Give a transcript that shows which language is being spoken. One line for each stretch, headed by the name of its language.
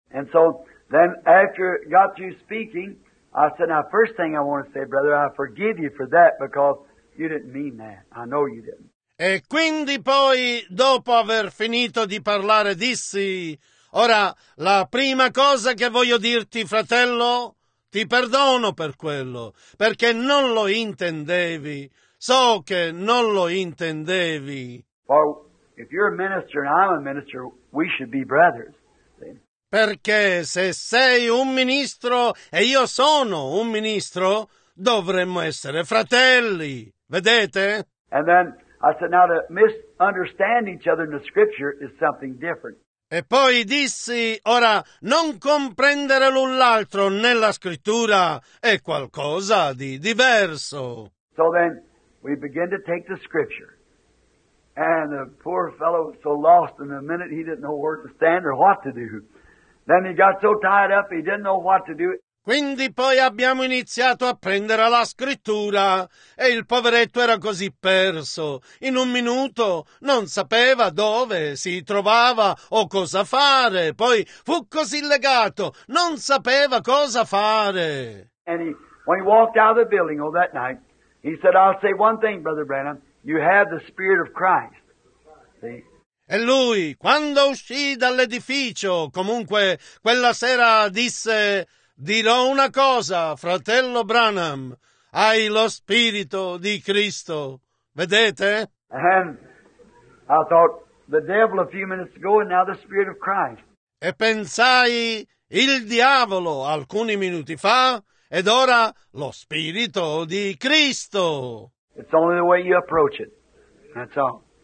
English: And so, then after got you speaking, I said, now, first thing I want to say, brother, I forgive you for that because you didn't mean that. I know you didn't.
Italian: E quindi poi, dopo aver finito di parlare, dissi, Ora, la prima cosa che voglio dirti, fratello, ti perdono per quello, perché non lo intendevi. So che non lo intendevi.
English: For if you're a minister and I'm a minister, we should be brothers.
Italian: Perché se sei un ministro e io sono un ministro, dovremmo essere fratelli, vedete?
English: And then I said, now to misunderstand each other in the scripture is something different.
Italian: E poi dissi, ora, non comprendere l'un l'altro nella scrittura è qualcosa di diverso.
English: So then we begin to take the scripture. And the poor fellow was so lost in the minute he didn't know where to stand or what to do. Then he got so tied up he didn't know what to do.
Italian: Quindi poi abbiamo iniziato a prendere la scrittura e il poveretto era così perso. In un minuto non sapeva dove si trovava o cosa fare. Poi fu così legato, non sapeva cosa fare.
English: And he, when he walked out of the building all that night, he said, I'll say one thing, Brother Branham, you have the Spirit of Christ. See?
Italian: E lui, quando uscì dall'edificio, comunque quella sera disse, dirò una cosa, fratello Branham, hai lo Spirito di Cristo, vedete?
English: And I thought, the devil a few minutes ago and now the Spirit of Christ.
Italian: E pensai, il diavolo alcuni minuti fa ed ora lo Spirito di Cristo.
English: It's only the way you approach it, that's all.